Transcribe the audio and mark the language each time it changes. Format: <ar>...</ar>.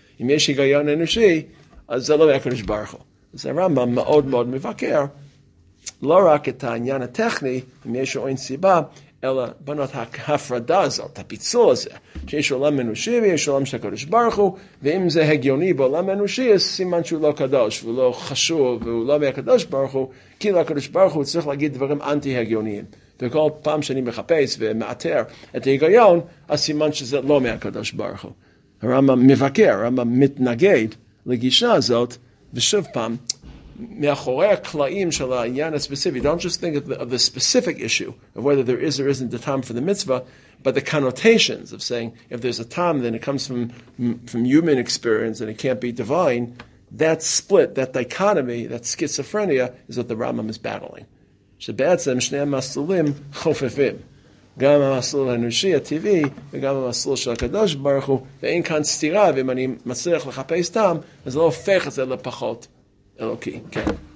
<he>אם יש היגיון אנושי, אז זה לא מהקדוש ברוך הוא. אז הרמב"ם מאוד מאוד מבקר, לא רק את העניין הטכני, אם יש אין סיבה, אלא בנות ההפרדה הזאת, הפיצול הזה, שיש עולם אנושי ויש עולם של הקדוש ברוך הוא, ואם זה הגיוני בעולם אנושי, אז סימן שהוא לא קדוש, והוא לא חשוב, והוא לא מהקדוש ברוך הוא, כי לקדוש ברוך הוא צריך להגיד דברים אנטי-הגיוניים. וכל פעם שאני מחפש ומאתר את ההיגיון, אז סימן שזה לא מהקדוש ברוך הוא. הרמב"ם מבקר, הרמב"ם מתנגד לגישה הזאת, ושוב פעם, מאחורי הקלעים של העניין הספציפי,</he> <en>don't just think of the specific issue of whether there is or isn't the time for the mitzvah, but the connotations of saying if there's a time, then it comes from human experience and it can't be divine, that split, that dichotomy, that schizophrenia is what the Rambam is battling.</en> <he>שבעצם שני המסלולים חופפים. גם המסלול האנושי הטבעי וגם המסלול של הקדוש ברוך הוא, ואין כאן סתירה, ואם אני מצליח לחפש טעם, אז לא הופך את זה לפחות. אלוקי, כן.</he>